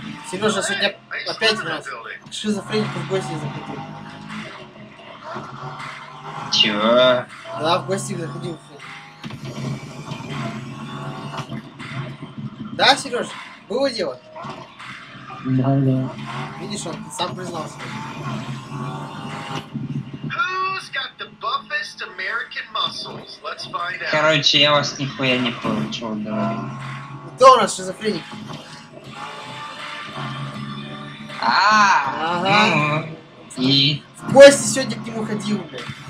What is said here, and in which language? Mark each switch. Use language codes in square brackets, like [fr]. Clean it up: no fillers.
[ru] Сережа сегодня опять раз шизофреник в гости заходил. Чего? Да, в гости заходил. Да, Сереж, было дело? Да, да. Видишь, он сам признался. [en] Who's got the buffest American muscles? Let's find out. [ru] Короче, я вас нихуя не понял, что он говорит. Кто у нас шизофреник? Ага. И? В гости сегодня к нему ходил, блядь.